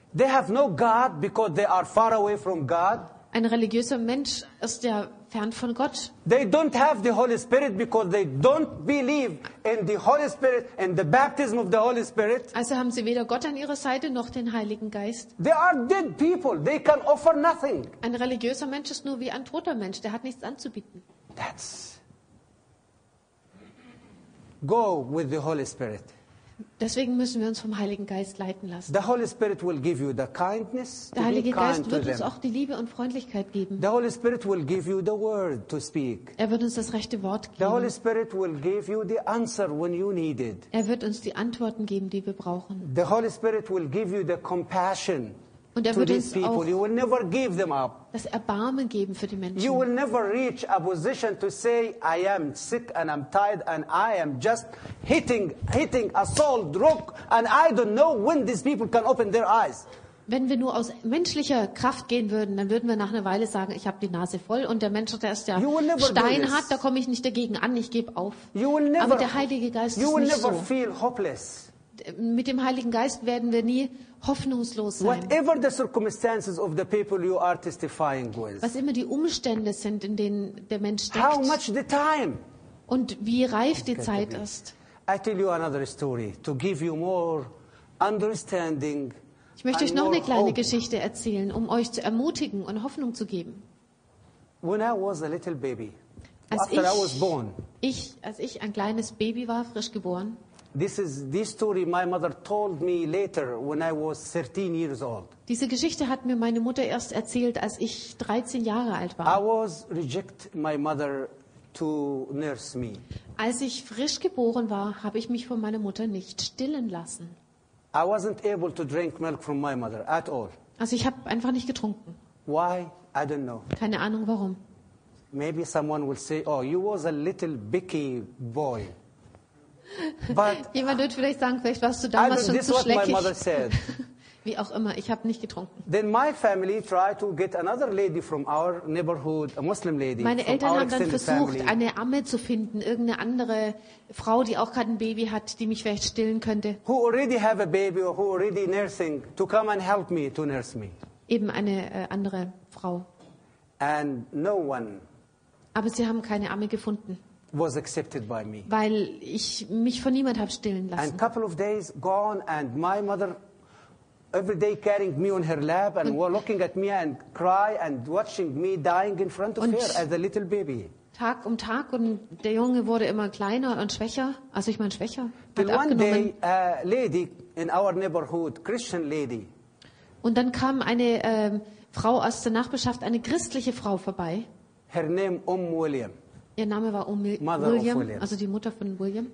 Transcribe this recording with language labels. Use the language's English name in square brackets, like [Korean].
[English] They have no God because they are far away from God. [German] Ein religiöser Mensch ist ja fern von Gott. [English] They don't have the Holy Spirit because they don't believe in the Holy Spirit and the baptism of the Holy Spirit. [German] Also haben sie weder Gott an ihrer Seite noch den Heiligen Geist. [English] They are dead people. They can offer nothing. [German] Ein religiöser Mensch ist nur wie ein toter Mensch. Der hat nichts anzubieten. [English] That's go with the Holy Spirit. [German] Deswegen müssen wir uns vom Heiligen Geist leiten lassen. [English] The Holy Spirit will give you the kindness. [German] Der Heilige Geist wird uns auch die Liebe und Freundlichkeit geben. [English] The Holy Spirit will give you the word to speak. [German] Er wird uns das rechte Wort geben. [English] The Holy Spirit will give you the answer when you need it. [German] Er wird uns die Antworten geben, die wir brauchen. [English] The Holy Spirit will give you the compassion. [German] Und er wird uns auch [English] you will never give them up. [German] Das Erbarmen geben für die Menschen. [English] You will never reach a position to say I am sick and I'm tired and I am just hitting a solid rock and I don't know when these people can open their eyes. [German] Wenn wir nur aus menschlicher Kraft gehen würden, dann würden wir nach einer Weile sagen, ich habe die Nase voll und der Mensch, der ist ja steinhart, da komme ich nicht dagegen an, ich gebe auf. [English] Never, [German] aber der Heilige Geist [English] you will [German] nicht [English] never so. Feel hopeless. [German] Mit dem Heiligen Geist werden wir nie hoffnungslos sein. [English] Whatever the circumstances of the people you are testifying with. [German] Was immer die Umstände sind, in denen der Mensch steckt. [English] How much the time? [German] Und wie reif die Zeit ist. [English] I tell you another story to give you more understanding. [German] Ich möchte euch noch eine kleine Geschichte erzählen, um euch zu ermutigen und Hoffnung zu geben. [English] When I was a little baby, [German] als ich ein kleines Baby war, frisch geboren. [English] This story my mother told me later when I was 13 years old. [German] Diese Geschichte hat mir meine Mutter erst erzählt, als ich 13 Jahre alt war. [English] I was reject my mother to nurse me. [German] Als ich frisch geboren war, habe ich mich von meiner Mutter nicht stillen lassen. [English] I wasn't able to drink milk from my mother at all. [German] Also ich habe einfach nicht getrunken. [English] Why? I don't know. [German] Keine Ahnung warum. [English] Maybe someone will say, oh, you was a little picky boy. [German] Jemand wird vielleicht sagen, vielleicht warst du damals schon zu schleckig. Wie auch immer, ich habe nicht getrunken. [English] Then my family tried to get another lady from our neighborhood, a Muslim lady. [German] Meine Eltern haben dann versucht, eine Amme zu finden, irgendeine andere Frau, die auch gerade ein Baby hat, die mich vielleicht stillen könnte. [English] Who already have a baby or who already nursing to come and help me to nurse me. [German] Eben eine andere Frau. [English] And no one. [German] Aber sie haben keine Amme gefunden. [English] Was accepted by me. [German] Weil ich mich von niemand habe stillen lassen. [English] And a couple of days gone, and my mother every day carrying me on her lap and looking at me and cry and watching me dying in front of her as a little baby. [German] Tag um Tag und der Junge wurde immer kleiner und schwächer, also ich meine schwächer. [English] Till one day, a lady in our neighborhood, Christian lady. [German] Und dann kam eine Frau aus der Nachbarschaft, eine christliche Frau vorbei. [English] Her name William. [German] Ihr Name war William, also die Mutter von William.